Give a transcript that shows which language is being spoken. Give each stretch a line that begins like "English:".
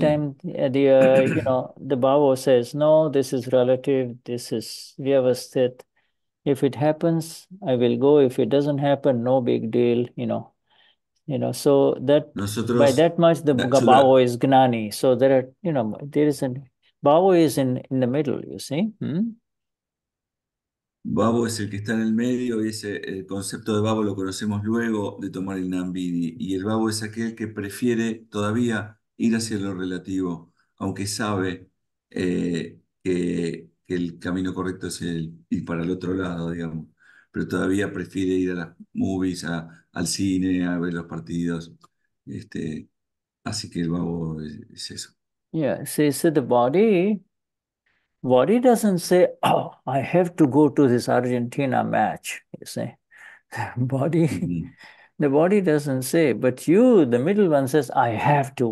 English: time, the you know, the babo says, no, this is relative, this is vyavasthit. If it happens, I will go. If it doesn't happen, no big deal, you know. You know, so that
Spanish: nosotros,
English: by that much the babo is gnani. So there are, you know, there is an babo is in the middle, you see.
Spanish: Babo es el que está en el medio, y ese el concepto de babo lo conocemos luego de tomar el nambidi. Y el babo es aquel que prefiere todavía ir hacia lo relativo, aunque sabe que el camino correcto es el ir para el otro lado, digamos. Pero todavía prefiere ir a las movies, al cine, a ver los partidos. Este, así que el babo es eso.
English: Yeah, see, so the body doesn't say, oh, I have to go to this Argentina match, you see. The body doesn't say, but you, the middle one, says, I have to.